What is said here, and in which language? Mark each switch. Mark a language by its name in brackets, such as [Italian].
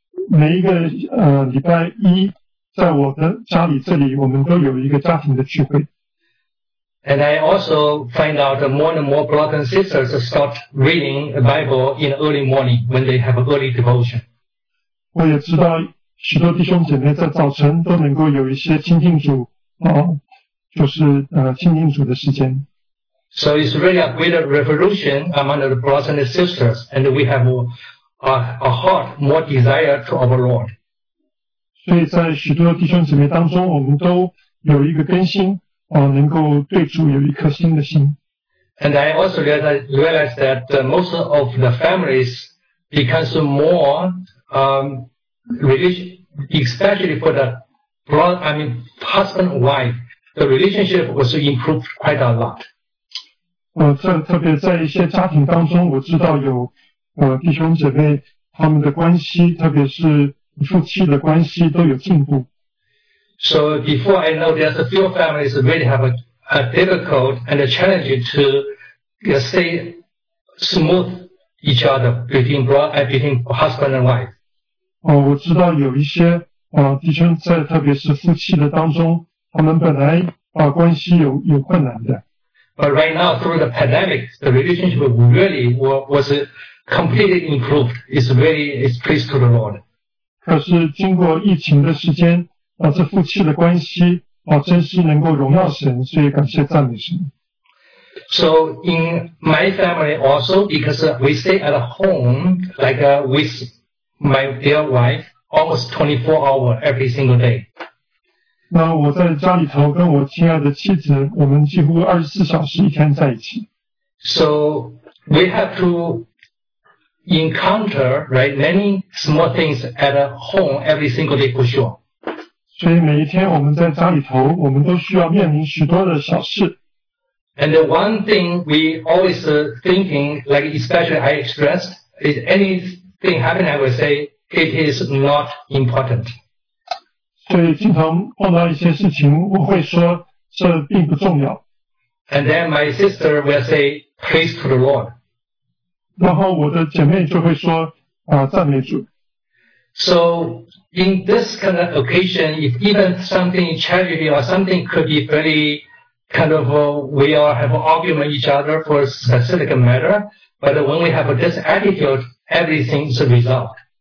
[Chinese] 每一个礼拜一在我的家里，这里我们都有一个家庭的聚会。 [English] And I also find out more and more brothers and sisters start reading the Bible in early morning when they have early devotion. [Chinese] 我也知道许多弟兄姐妹在早晨都能够有一些亲近主亲近主的时间。 [English] So it's really a great revolution among the brothers and sisters, and we have a heart more desire to our Lord. [Chinese] 所以在许多弟兄姊妹当中，我们都有一个更新，能够对主有一颗新的心。 [English] And I also realized that most of the families becomes more religious, especially for the husband and wife, the relationship was improved quite a lot. [Chinese] 特别在一些家庭当中，我知道有弟兄姐妹他们的关系，特别是夫妻的关系都有进步。 [English] So before I know, there's a few families really have a difficult and a challenge to stay smooth each other between husband and wife. [Chinese] 我知道有一些弟兄在特别是夫妻的当中，他们本来关系有困难的。 [English] But right now through the pandemic, the relationship really was completely improved. It's praise to the Lord. [Chinese] 可是经过疫情的时间。这夫妻的关系真是能够荣耀神，所以感谢赞美神。 [English] So in my family also, because we stay at home, like with my dear wife, almost 24 hours every single day. [Chinese] 那我在家里头跟我亲爱的妻子，我们几乎24小时一天在一起。 [English] So we have to encounter right many small things at home every single day for sure. [Chinese] 所以每一天我们在家里头，我们都需要面临许多的小事。 [English] And the one thing we always thinking, like especially I expressed, is anything happening, I would say it is not important. [Chinese] 所以经常碰到一些事情，我会说这并不重要。 [English] And then my sister will say praise to the Lord. [Chinese] 然后我的姐妹就会说赞美主。 [English] So. In this kind of occasion, if even something tragedy or something could be very kind of, we all have an argument with each other for a specific matter, but when we have this attitude, everything is resolved.